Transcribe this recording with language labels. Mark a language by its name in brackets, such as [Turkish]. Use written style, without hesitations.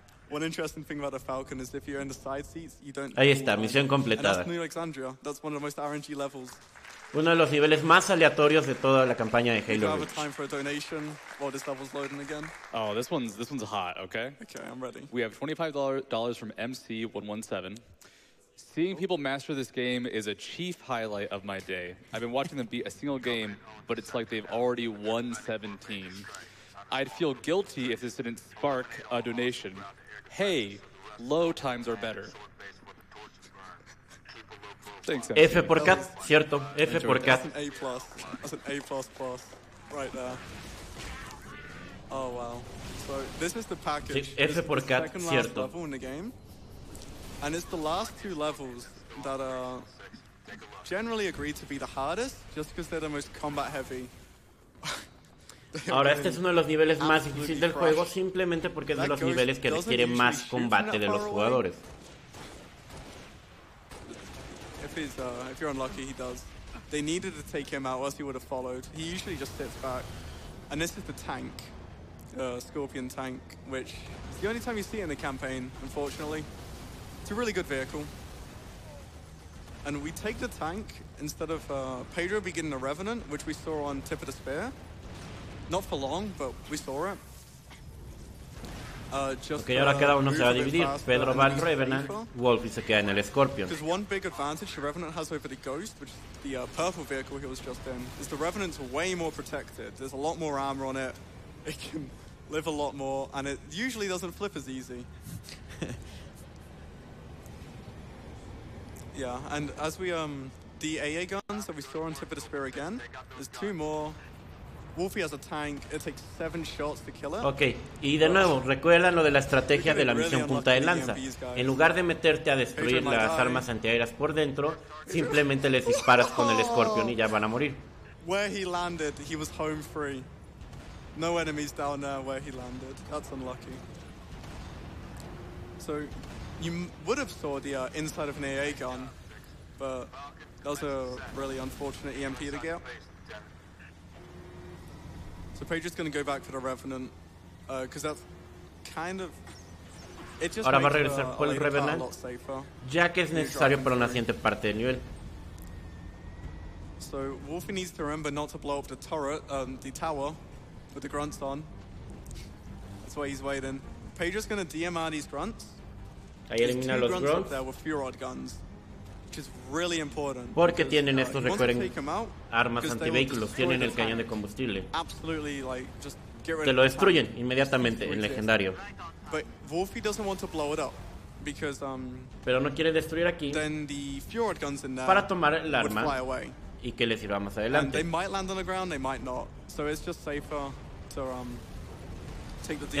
[English] One interesting thing about a Falcon is if you're in the side seats, you don't. [Spanish] Ahí está, misión completada. [English] That's New Alexandria. That's one of the most RNG levels. [Spanish] Uno de los niveles más aleatorios de toda la campaña de Halo. [English] Do you have time for a donation while this level's loading again? Oh, this one's hot. Okay. Okay, I'm ready. We have $25 from MC117. Seeing people master this game is a chief highlight of my day. I've been watching them beat a single game, but it's like they've already won 17. I'd feel guilty if this didn't spark a donation. Hey, low times are better. Thanks, MC. [Spanish] F por cat, cierto. F por cat. [English] That's an A+. That's an A++ right there. Oh, wow. So this is the package. [Spanish] F por cat, cierto. [English] Level in the game. And it's the last two levels that are generally agreed to be the hardest, just because they're the most combat heavy. [Spanish] Ahora, este es uno de los niveles más difíciles del juego, simplemente porque es de los niveles que requiere más combate de los jugadores. [English] If you're unlucky, he does. They needed to take him out, or else he would have followed. He usually just sits back. And this is the tank, Scorpion tank, which is the only time you see it in the campaign, unfortunately. It's a really good vehicle. And we take the tank instead of Pedro beginning a Revenant, which we saw on Tip of the Spear. Not for long, but we saw it. [Spanish] Okay, ahora cada uno se va a dividir. Pedro va al Revenant, Wolf se queda en el Scorpion. [English] There's one big advantage the Revenant has over the Ghost, which is the purple vehicle he was just in, is the Revenant's way more protected. There's a lot more armor on it. It can live a lot more, and it usually doesn't flip as easy. Yeah, and as we, the AA guns that we saw on Tip of the Spear again, there's two more. Wolfie has a tank. It takes 7 shots to kill it. [Spanish] Okay, y de nuevo, recuerdan lo de la estrategia de la misión punta de lanza. En lugar de meterte a destruir las armas antiaéreas por dentro, simplemente les disparas con el Scorpion y ya van a morir. [English] Where he landed, he was home free. No enemies down there where he landed. That's unlucky. So, you would have saw the inside of an AA gun, but that was a really unfortunate EMP to get. So Pedro's going to go back for the Revenant, because that's kind of... It just [Spanish] ahora va a regresar por el Revenant, ya que es necesario para la siguiente parte del nivel. [English] So Wolfie needs to remember not to blow up the turret, the tower, with the grunts on. That's why he's waiting. Pedro's going to DMR these grunts. [Spanish] Ahí elimina los grunts. [English] There were Furod guns, which is really important. [Spanish] Porque tienen estos, recuerden, armas antivehículos, tienen el cañón de combustible. [English] Absolutely, like, just get rid [Spanish] of. Te lo destruyen inmediatamente en legendario. [English] But Wolfie doesn't want to blow it up because, [Spanish] pero no quiere destruir aquí. [English] Then the Furod guns in there [Spanish] para tomar el arma y que le sirva más adelante. [English] They might land on the ground, they might not. So it's just safer to, take the DMR.